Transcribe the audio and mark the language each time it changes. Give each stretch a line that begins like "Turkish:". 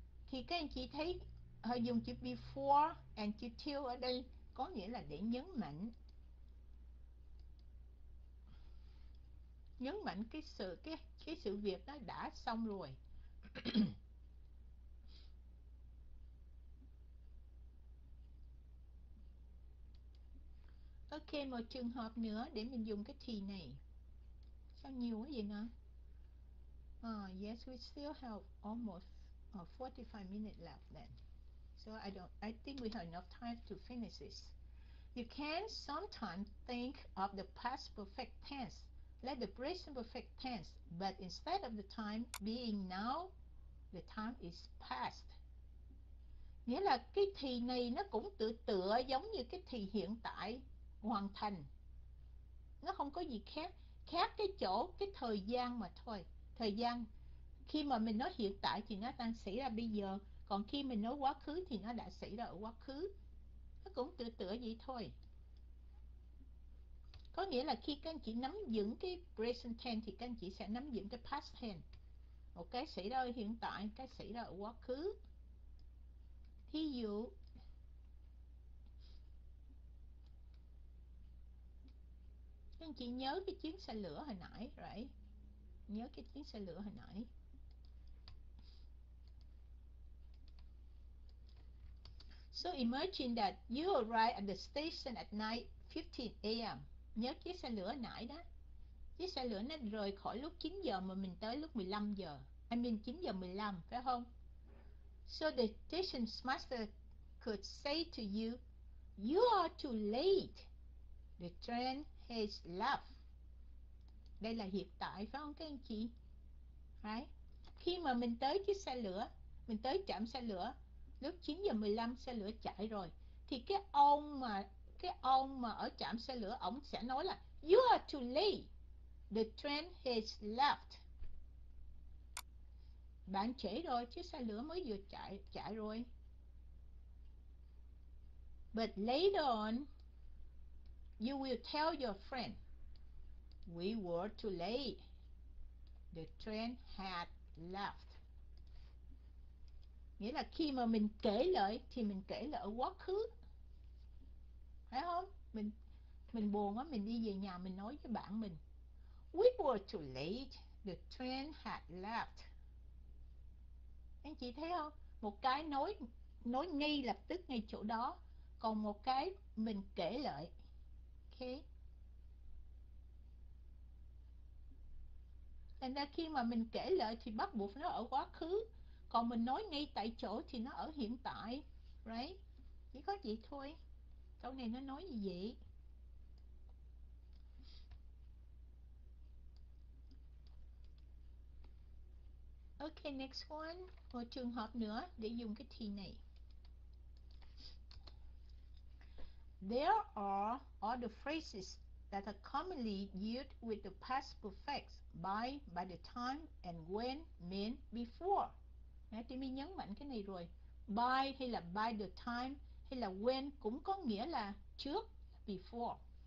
Vietnamese: Thì các anh chị thấy họ dùng chữ before and chữ till ở đây có nghĩa là để nhấn mạnh cái sự việc đó đã xong rồi. Ok, một trường hợp nữa để mình dùng cái thì này. Sao nhiều quá vậy nè?
English: Yes, we still have almost 45 minutes left then. So I think we have enough time to finish this. You can sometimes think of the past perfect tense, like the present perfect tense, but instead of the time being now, the time is past.
Vietnamese: Nghĩa là cái thì này nó cũng tựa tựa giống như cái thì hiện tại, hoàn thành, nó không có gì khác, khác cái chỗ cái thời gian mà thôi. Thời gian khi mà mình nói hiện tại thì nó đang xảy ra bây giờ, còn khi mình nói quá khứ thì nó đã xảy ra ở quá khứ, nó cũng tựa tựa vậy thôi. Có nghĩa là khi các anh chị nắm vững cái present tense thì các anh chị sẽ nắm vững cái past tense, một cái xảy ra ở hiện tại, cái xảy ra ở quá khứ. Thí dụ các anh chị nhớ cái chuyến xe lửa hồi nãy rồi, nhớ cái chuyến xe lửa hồi nãy.
English: So imagine that you arrive at the station at 9:15 a.m.
Vietnamese: Nhớ chiếc xe lửa nãy đó. Chiếc xe lửa nó rời khỏi lúc 9 giờ mà mình tới lúc 15 giờ.
English: I mean
Vietnamese: 9 giờ 15, phải không?
English: So the station's master could say to you, "You are too late. The train has left."
Vietnamese: Đây là hiện tại, phải không các anh chị? Right. Khi mà mình tới chiếc xe lửa, mình tới trạm xe lửa, lúc 9 giờ 15 xe lửa chạy rồi, thì cái ông mà ở trạm xe lửa, ông sẽ nói là
English: "You are too late. The train has left."
Vietnamese: Bạn trễ rồi, chiếc xe lửa mới vừa chạy chạy rồi.
English: But later on, you will tell your friend, "We were too late. The train had left."
Vietnamese: Nghĩa là khi mà mình kể lại thì mình kể lại ở quá khứ, phải không? Mình buồn á, mình đi về nhà mình nói với bạn mình,
English: "We were too late. The train had left."
Vietnamese: Anh chị thấy không? Một cái nói ngay lập tức ngay chỗ đó, còn một cái mình kể lại. Okay. Thành ra khi mà mình kể lại thì bắt buộc nó ở quá khứ, còn mình nói ngay tại chỗ thì nó ở hiện tại. Right. Chỉ có vậy thôi. Câu này nó nói gì vậy?
English: Ok, next one.
Vietnamese: Một trường hợp nữa để dùng cái thì này.
English: There are all the phrases that are commonly used with the past perfect, by the time and when mean before.
Vietnamese: Nãy tôi mới nhấn mạnh cái này rồi. By hay là by the time hay là when cũng có nghĩa là trước, before.